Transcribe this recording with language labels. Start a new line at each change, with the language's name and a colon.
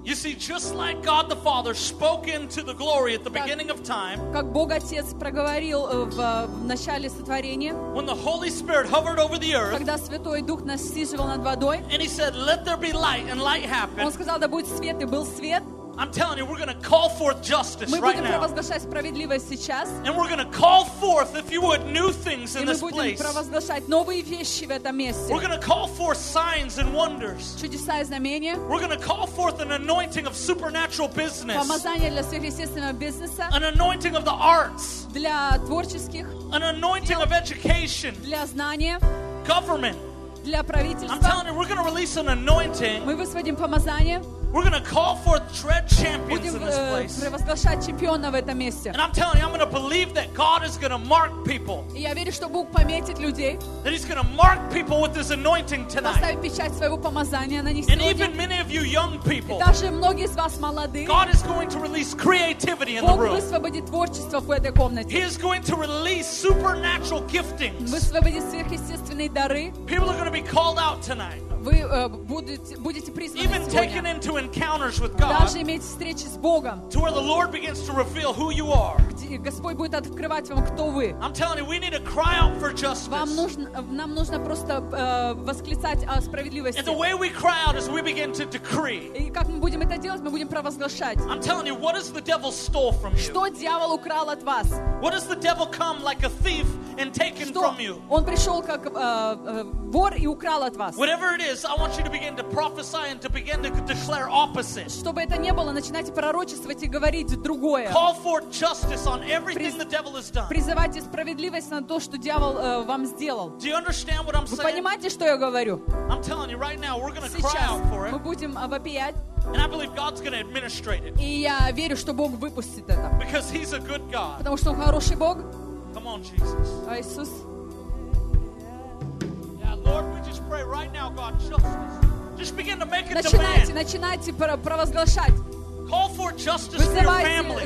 English: You see, just like God the Father spoke into the glory at the beginning of time,
Russian: как Бог Отец проговорил в начале сотворения,
English: when the Holy Spirit hovered over the earth,
Russian: когда Святой Дух насиживал над водой,
English: and He said, "Let there be light," and light happened.
Russian: Он сказал, да будет свет, и был свет.
English: I'm telling you, we're going to call forth justice right now.
Russian: Мы будем провозглашать справедливость сейчас.
English: And we're going to call forth, if you would, new things in this place.
Russian: И мы будем провозглашать новые вещи в этом месте.
English: We're going to call forth signs and wonders.
Russian: Чудеса и знамения.
English: We're going to call forth an anointing of supernatural business.
Russian: Помазание для сверхъестественного бизнеса.
English: An anointing of the arts.
Russian: Для творческих.
English: An anointing of education.
Russian: Для знания.
English: Government.
Russian: Для правительства.
English: I'm telling you, we're going to release an anointing.
Russian: Мы высвободим помазание.
English: We're going to call forth tread champions
Russian: будем,
English: in this place. And I'm telling you, I'm going to believe that God is going to mark people.
Russian: И я верю, что Бог пометит людей.
English: That He's going to mark people with His anointing tonight.
Russian: Поставит печать своего помазания на них сегодня.
English: And even many of you young people.
Russian: И даже многие из вас молодые.
English: God is going to release creativity in the room.
Russian: Бог высвободит творчество в этой комнате.
English: He is going to release supernatural giftings.
Russian: Высвободит сверхъестественные дары.
English: People are going to be called out tonight.
Russian: Вы будете призваны сегодня. Даже иметь встречи с Богом.
English: To where the Lord begins to reveal who you are.
Russian: Где Господь будет открывать вам, кто вы.
English: I'm telling you, we need to cry out for justice.
Russian: Нам нужно просто восклицать о справедливости.
English: And the way we cry out is we begin to decree.
Russian: И как мы будем это делать? Мы будем провозглашать.
English: I'm telling you, what has the devil stole from you?
Russian: Что дьявол украл от вас?
English: What has the devil come like a thief and taken from you?
Russian: Он пришел как вор и украл от вас.
English: Whatever it is, I want you to begin to prophesy and to begin to declare opposite.
Russian: Чтобы это не было, начинайте пророчествовать и говорить другое.
English: Call forth justice on everything the devil has done.
Russian: Призывайте справедливость на то, что дьявол вам сделал.
English: Do you understand what I'm saying?
Russian: Вы понимаете, что я говорю?
English: I'm telling you right now, we're going to cry out for it.
Russian: Мы будем вопиять.
English: And I believe God's going to administrate it.
Russian: И я верю, что Бог выпустит это.
English: Because He's a good God.
Russian: Потому что Он хороший Бог.
English: Come on, Jesus.
Russian: Иисус.
English: Lord, we just pray right now, God, justice. Just begin to make a
Russian: начинайте,
English: demand.
Russian: Начинайте провозглашать.
English: Call for justice for your family.